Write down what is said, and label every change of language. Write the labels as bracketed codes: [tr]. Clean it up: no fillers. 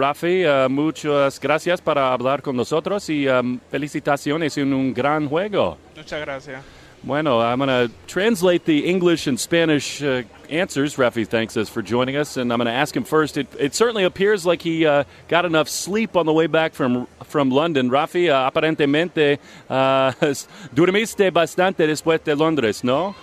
[es] Rafi, muchas gracias para hablar con nosotros y felicitaciones en un gran juego. Muchas gracias. Bueno, [en] I'm going to translate the English and Spanish answers. Rafi thanks us for joining us, and I'm going to ask him first. It certainly appears like he got enough sleep on the way back from London. [es] Rafi, aparentemente, dormiste bastante después de Londres, ¿no?